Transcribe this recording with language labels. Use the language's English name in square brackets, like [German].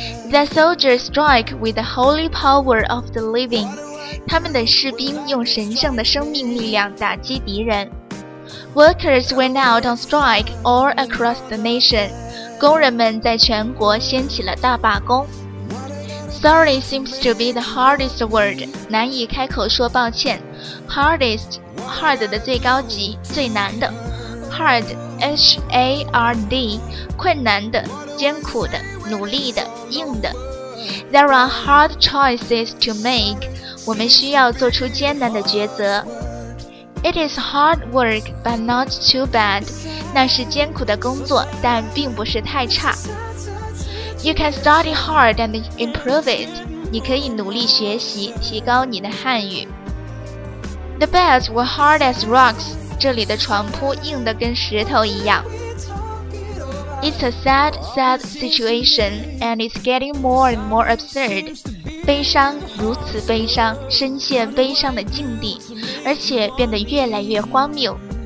[English] The soldiers strike with the holy power of the living. [Chinese] 他们的士兵用神圣的生命力量打击敌人。 [English] Workers went out on strike all across the nation. [Chinese] 工人们在全国掀起了大罢工。 [English] Sorry seems to be the hardest word. [Chinese] 难以开口说抱歉。 Hardest, hard 的最高级，最难的。 Hard, H-A-R-D, 困难的，艰苦的，努力的，硬的。 [English] There are hard choices to make. [Chinese] 我们需要做出艰难的抉择。 [English] It is hard work, but not too bad. [Chinese] 那是艰苦的工作，但并不是太差。 [English] You can study hard and improve it. [Chinese] 你可以努力学习，提高你的汉语。 [English] The beds were hard as rocks. [Chinese] 这里的床铺硬得跟石头一样。 [English] It's a sad, sad situation, and it's getting more and more absurd. [Chinese] 悲伤如此悲伤，深陷悲伤的境地，而且变得越来越荒谬。